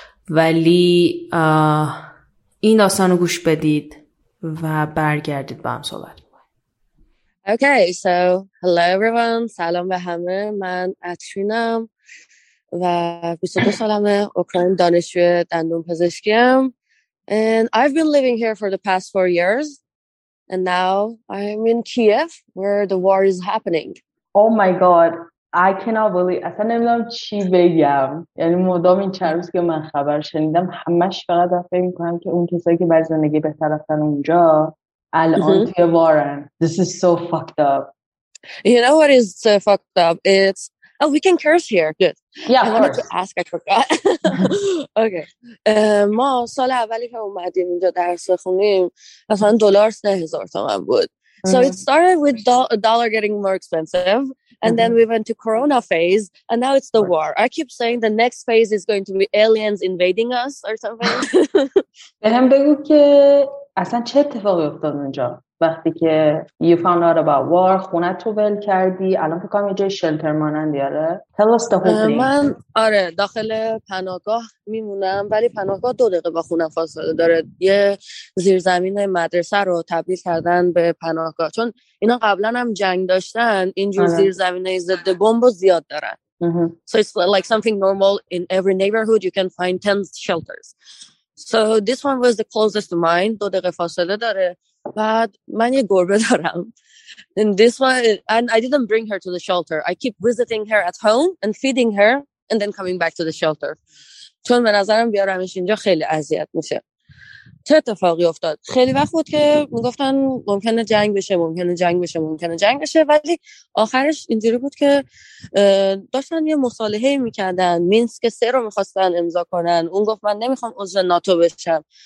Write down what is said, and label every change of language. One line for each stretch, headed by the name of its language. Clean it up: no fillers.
Persian: ولی این داستان رو گوش بدید و برگردید با هم صحبت.
English: Okay, so hello everyone.
Persian: سلام به همه. من اترینم و 22 سالمه، اوکراین دانشجوی دندون پزشکیم.
English: And I've been living here for the past 4 years. And now I'm in Kiev where the war is happening. Oh my God. I cannot believe.
Persian: اصلا نمیدونم چی بگم. یعنی مدام این چند روز که من خبر شنیدم همش فقط فکر میکنم که اون کسایی که برای زندگی بهتر رفتن اونجا الان توی وارن.
English: This is so fucked up. You know what is so fucked up? It's... Oh, we can curse here. Good. Yeah, I wanted to ask. I forgot. Okay.
Persian: ما سال اولی که اومدیم اینجا درس بخونیم مثلا دلار 3000 تومان بود.
English: So it started with a dollar getting more expensive. And then we went to corona phase, and now it's the war. I keep saying the next phase is going to be aliens invading us or something.
Persian: بهم بگو که اصلا چه اتفاقی افتاد اونجا وقتی که
English: you found out about war،
Persian: خونه تو ول کردی، الان فکر کنم یه جای شلتر مانند یاره.
English: Tell us the whole thing.
Persian: من آره داخل پناهگاه میمونم، ولی پناهگاه 2 دقیقه با خونه فاصله داره. یه زیرزمین مدرسه رو تبدیل کردن به پناهگاه، چون اینا قبلا هم جنگ داشتن، اینجور زیرزمینای ضد بمب زیاد دارن.
English: So it's like something normal in every neighborhood you can find 10 shelters. So this one was the closest to mine.
Persian: 2 دقیقه فاصله داره. بعد من یه گربه دارم.
English: And this one, and I didn't bring her to the shelter. I keep visiting her at home and feeding her and then coming back to the shelter.
Persian: چون به نظرم بیارمش اینجا خیلی اذیت میشه. چه اتفاقی افتاد؟ خیلی وقت بود که میگفتن ممکنه جنگ بشه، ممکنه جنگ بشه، ممکنه جنگ بشه، ولی آخرش اینجوری بود که داشتن یه مصالحه میکردن، مینسک 3 رو میخواستن امضا کنن، اون گفت من نمیخوام عضو ناتو بشم.